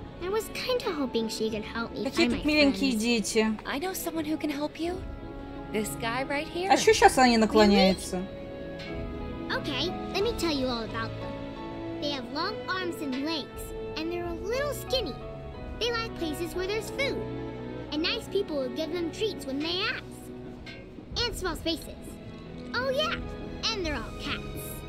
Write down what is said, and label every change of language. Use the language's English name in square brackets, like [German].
[English] I was kind of hoping she could help me. [Russian] Какие тут миленькие дети. [English] I know someone who can help you. This guy right here. [Russian] А что сейчас они наклоняются? [English] Okay, let me tell you all about them. They have long arms and legs, and they're a little skinny. They like places where there's food, and nice people will give them treats when they ask. And small spaces. Oh yeah, and they're all cats.